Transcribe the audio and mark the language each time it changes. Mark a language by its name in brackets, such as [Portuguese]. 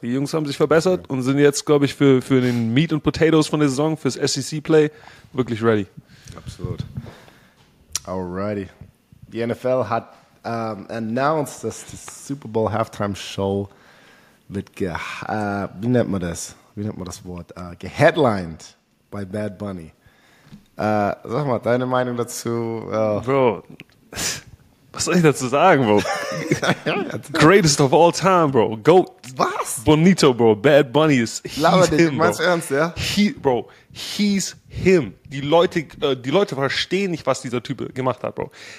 [German] Die Jungs haben sich verbessert und sind jetzt, glaube ich, für den Meat and Potatoes von der Saison, fürs SEC-Play, wirklich ready. Absolut. Alrighty. Die NFL hat announced, dass die Super Bowl Halftime Show wird wie nennt man das Wort? Geheadlined by Bad Bunny. Sag mal, deine Meinung dazu? Bro, was soll ich dazu sagen, Bro? [English] Greatest of all time, Bro. Goat. [German] Was? [English] Bonito, Bro. Bad Bunny is him, [German] Bro. Meinst du ernst, ja? [English] He's him. [German] Die Leute verstehen nicht, was dieser Typ gemacht hat, Bro.